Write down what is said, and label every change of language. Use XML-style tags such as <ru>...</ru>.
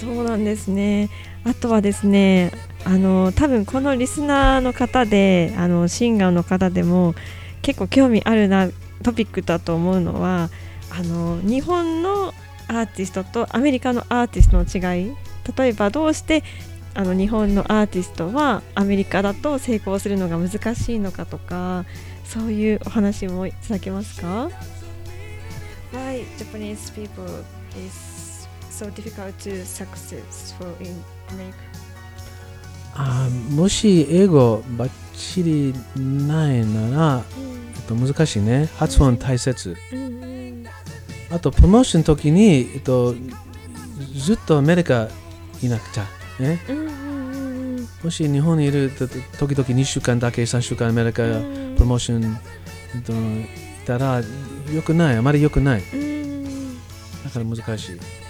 <ja>そうなんですね、あとはですね、多分このリスナーの方で、シンガーの方でも結構興味あるなトピックだと思うのは、日本のアーティストとアメリカのアーティストの違い、例えばどうして日本のアーティストはアメリカだと成功するのが難しいのかとか、そういうお話もいただけますか。</ja> <en>Why Japanese people is so difficult to successful in America?</en> <ja>もし英語バッチリないなら、難しいね、発音大切、あとプロモーションの時に、ずっとアメリカいなくちゃ、ね、もし日本にいる時々2週間だけ3週間アメリカプロモーションといたら良くない、あまり良くない、だから難しい、</ja>